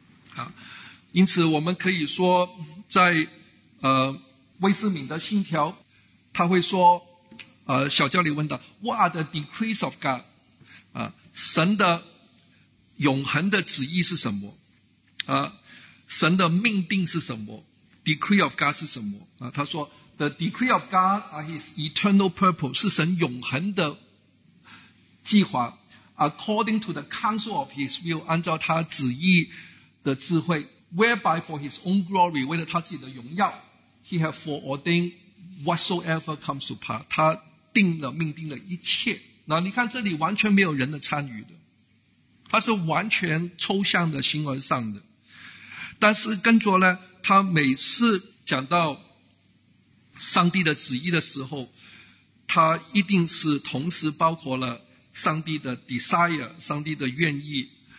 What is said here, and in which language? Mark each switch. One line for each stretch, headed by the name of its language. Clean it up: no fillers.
Chinese: 好，因此我们可以说，在威斯敏的信条，他会说，小教理问道
English: What are the decrees of God？
Chinese: 神的永恒的旨意是什么？神的命定是什么 ？
English: Decree of God
Chinese: 是什么？
English: 他说 The decree of God are His eternal purpose，
Chinese: 是神永恒的计划
English: ，According to the counsel of His will，
Chinese: 按照他旨意的智慧
English: ，Whereby for His own glory，
Chinese: 为了他自己的荣耀。
English: He has foreordained whatsoever comes to pass.
Chinese: 他定了命定了一切。那你看这里完全没有人的参与的。他是完全抽象的形而上的。但是跟着呢，他每次讲到上帝的旨意的时候，他一定是同时包括了上帝的 desire， 上帝的愿意。